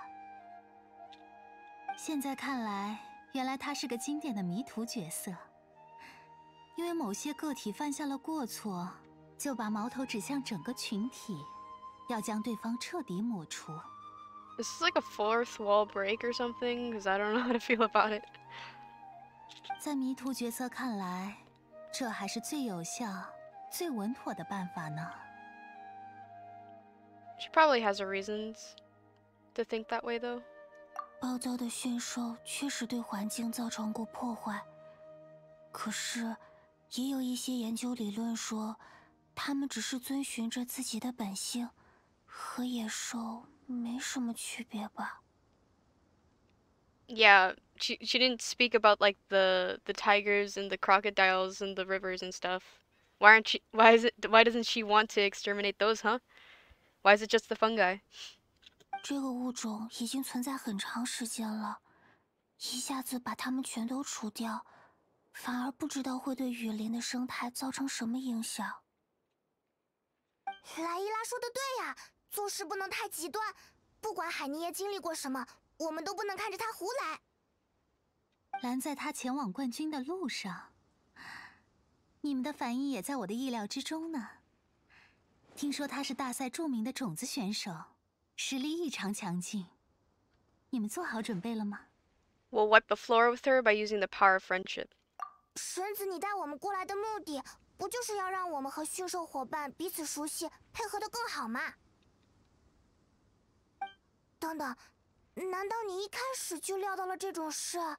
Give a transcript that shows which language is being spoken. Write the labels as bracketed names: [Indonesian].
[Chinese] 神子，莱伊拉，你们也被呼救声吸引过来了。刚刚我们还聊到了他。小莱伊拉说，海尼耶是你们参赛之初的引路人，但在你们遇见小莱伊拉后，他又突然离开了。现在看来。原来他是个经典的迷途角色，因为某些个体犯下了过错，就把矛头指向整个群体，要将对方彻底抹除。 [English] This is like a fourth wall break or something, because I don't know how to feel about it. [Chinese] 在迷途角色看来，这还是最有效、最稳妥的办法呢。 [English] She probably has her reasons to think that way, though. [Chinese] 暴躁的驯兽确实对环境造成过破坏，可是，也有一些研究理论说，它们只是遵循着自己的本性，和野兽没什么区别吧。 [English] Yeah, she didn't speak about like the tigers and the crocodiles and the rivers and stuff. Why doesn't she want to exterminate those, huh? Why is it just the fungi? [Chinese] 这个物种已经存在很长时间了，一下子把它们全都除掉，反而不知道会对雨林的生态造成什么影响。莱伊拉说的对呀，做事不能太极端，不管海尼耶经历过什么，我们都不能看着他胡来。拦在他前往冠军的路上，你们的反应也在我的意料之中呢。听说他是大赛著名的种子选手，实力异常强劲，你们做好准备了吗？ [English] We'll wipe the floor with her by using the power of friendship. [Chinese] 神子，你带我们过来的目的不就是要让我们和驯兽伙伴彼此熟悉，配合得更好吗？等等，难道你一开始就料到了这种事？